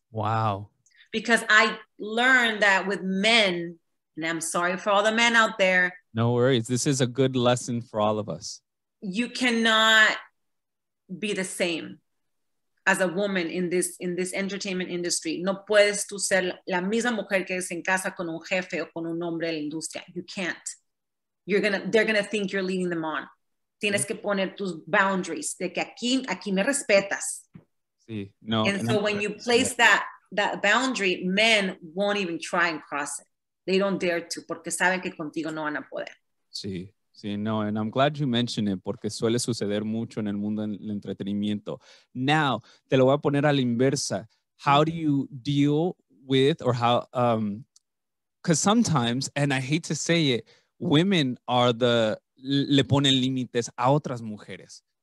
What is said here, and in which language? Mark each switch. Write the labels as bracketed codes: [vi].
[en] Wow. Because I learned that with men, and I'm sorry for all the men out there. No worries. This is a good lesson for all of us. You cannot be the same as a woman in this entertainment industry. [es] No puedes tú ser la misma mujer que es en casa con un jefe o con un hombre de la industria. [en] You can't. They're gonna think you're leading them on. [es] Tienes que poner tus boundaries de que aquí me respetas. Sí, no. [en] And so when you place that boundary, men won't even try and cross it. They don't dare to [es] porque saben que contigo no van a poder. Sí. Sí, no, [en] and I'm glad you mentioned it [es] porque suele suceder mucho en el mundo del entretenimiento. [en] Now, [es] te lo voy a poner a la inversa. [en] How do you deal with, or how, because sometimes, and I hate to say it, women are [es] le ponen límites a otras mujeres.